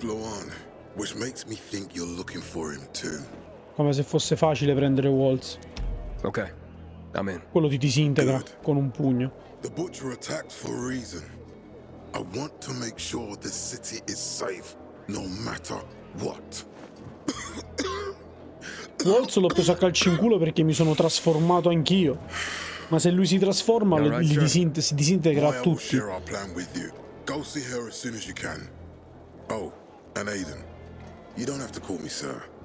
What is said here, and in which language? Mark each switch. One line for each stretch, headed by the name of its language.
English: Luan, which makes me think you're looking for him too.
Italian: Come se fosse facile prendere Waltz.
English: Okay, I'm in.
Italian: Quello ti disintegra con un pugno.
English: The Butcher attacked for a reason. I want to make sure this city is safe, no matter what.
Italian: Waltz l'ho preso a calci in culo perché mi sono trasformato anch'io. Ma se lui si trasforma, si disintegra tutti.
English: I'll share our plan with you. Go see her as soon as you can. Oh, and Aiden, you don't have to call me sir.